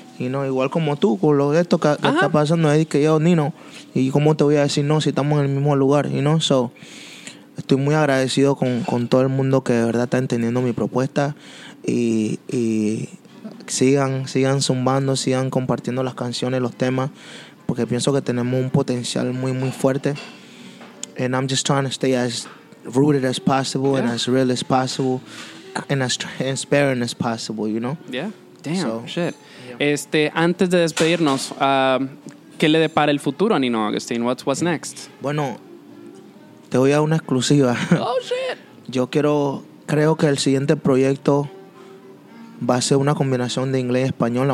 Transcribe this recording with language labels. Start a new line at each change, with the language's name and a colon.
Spanish: Y no, igual como tú, con lo de esto que está pasando, es que yo, Nino, ¿y cómo te voy a decir no si estamos en el mismo lugar? Y no, so, estoy muy agradecido con todo el mundo que de verdad está entendiendo mi propuesta. Y sigan zumbando, sigan compartiendo las canciones, los temas, porque pienso que tenemos un potencial muy, muy fuerte.
English: And I'm just trying to stay as rooted as possible and as real as possible and as transparent as possible, you know? Yeah. Damn, so, shit. Yeah.
Spanish: Antes de despedirnos, ¿qué le depara el futuro a Nino Augustine?
English: What's next?
Spanish: Bueno, te voy a una exclusiva.
English: Oh, shit.
Spanish: Yo creo que el siguiente proyecto va a ser una combinación de inglés y español.